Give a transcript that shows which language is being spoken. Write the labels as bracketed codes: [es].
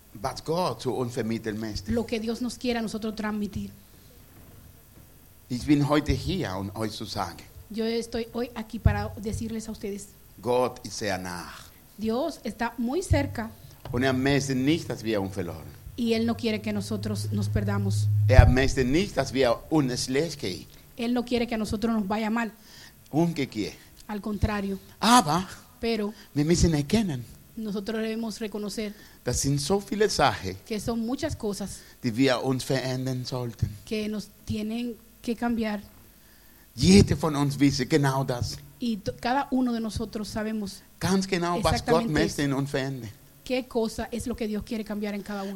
[de] Was Gott zu uns vermitteln möchte. [es] Lo que Dios nos quiere a nosotros transmitir. [de] Ich bin heute hier, um euch zu sagen. [es] Yo estoy hoy aquí para decirles a ustedes. [de] Gott ist sehr nah. [es] Dios está muy cerca. [de] Und möchte nicht, dass wir uns verloren. [es] Y él no quiere que nosotros nos perdamos. [de] Möchte nicht, dass wir uns schlecht gehen. [es] Él no quiere que a nosotros nos vaya mal. Und que quiere. Al contrario. [de] Aber. [es] Pero. [de] Wir müssen erkennen. [es] Nosotros debemos reconocer. [de] Das sind so viele Sachen. [es] Que son muchas cosas. [de] Die wir uns verändern sollten. [es] Que nos tienen que cambiar. [de] Jeder von uns wisse genau das. [es] Y cada uno de nosotros sabemos. [de] Ganz genau, was Gott möchte in uns verändern. [es] Qué cosa es lo que Dios quiere cambiar en cada uno.